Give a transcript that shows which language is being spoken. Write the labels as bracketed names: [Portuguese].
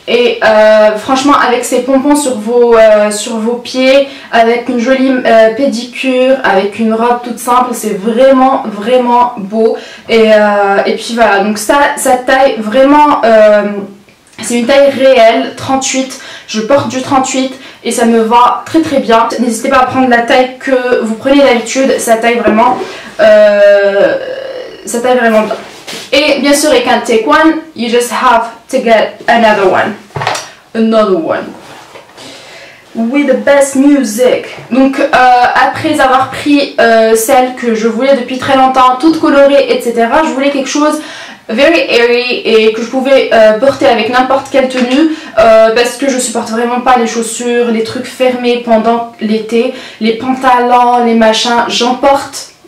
[French] Et franchement, avec ces pompons sur vos pieds, avec une jolie pédicure, avec une robe toute simple, c'est vraiment, vraiment beau. Et puis voilà, donc ça, ça taille vraiment... c'est une taille réelle, 38. Je porte du 38 et ça me va très, très bien. N'hésitez pas à prendre la taille que vous prenez d'habitude. Ça taille vraiment bien. Et bien sûr, [English] you can't take one, you just have to get another one. Another one. With the best music. [French] Donc, après avoir pris celle que je voulais depuis très longtemps, toute colorée, etc., je voulais quelque chose [English] very airy [French] et que je pouvais porter avec n'importe quelle tenue parce que je supporte vraiment pas les chaussures, les trucs fermés pendant l'été, les pantalons, les machins, j'en porte.